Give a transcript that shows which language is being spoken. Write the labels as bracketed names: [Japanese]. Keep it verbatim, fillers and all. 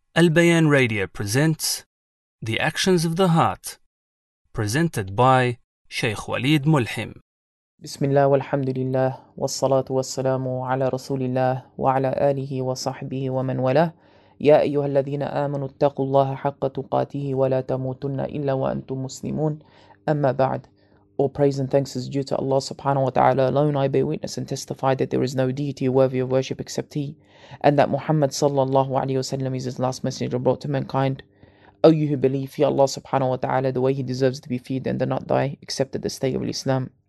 [English] Al Bayan Radio presents The Actions of the Heart, presented by Sheikh Waleed Mulhim. [Arabic] بسم الله والحمد لله والصلاة والسلام على رسول الله وعلى آله وصحبه ومن والاه. يا أيها الذين آمنوا اتقوا الله حق تقاته ولا تموتن إلا وأنتم مسلمون. أما بعد. [English] All praise and thanks is due to Allah subhanahu wa ta'ala alone. I bear witness and testify that there is no deity worthy of worship except He, and that Muhammad sallallahu alayhi wa sallam is His last messenger brought to mankind. O you who believe, fear Allah subhanahu wa ta'ala the way He deserves to be feared and do not die except at the state of Islam.